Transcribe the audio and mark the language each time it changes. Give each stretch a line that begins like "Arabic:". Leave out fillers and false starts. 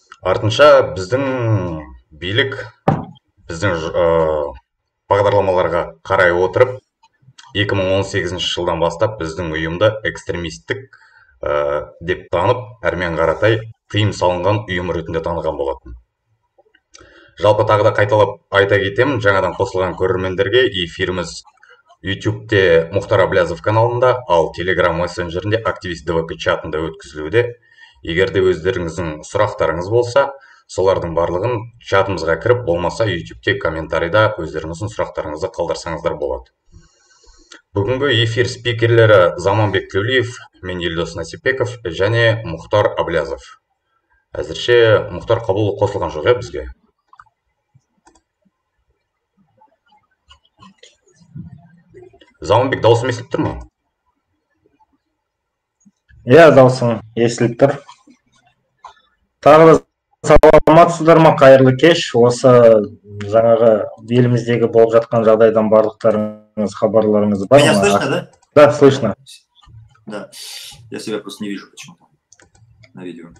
Kazakh: Артынша біздің билік, біздің бағдарламаларға қарай отырып, 2018 жылдан бастап біздің ұйымды экстремистік деп танып, Әрмен Қаратай тыйым салынған ұйым ретінде таныған болатын. Жалпы тағы да қайталап айта кетемін, жаңадан қосылған көрермендерге эфиріміз YouTube-те Мұхтар Әблязов каналында, ал Telegram мессенджерінде Активист ДВК чатында өткізілуде. Егер де өздеріңіздің сұрақтарыңыз болса, солардың барлығын чатымызға кіріп, болмаса YouTube-те комментарийда өздеріңіздің сұрақтарыңызды қалдырсаңыздар болады. Бүгінгі эфир спикерлері Заманбек Төлеев, мен Елдос Насипеков және Мұхтар Әблязов. Әзірше Мұхтар қабыл қосылған жоқ бізге. Заманбек, дауысым естіліп тұр ма? Иә, дауысым естіліп тұр. Тағы да саламатсыздар ма, қайырлы кеш. Осы жаңағы еліміздегі болып жатқан жағдайдан барлықтарыңыз, хабарларыңыз бар ма?
Russian: Меня слышно, да? Да, слышно. Да, я себя просто не вижу почему-то на видео.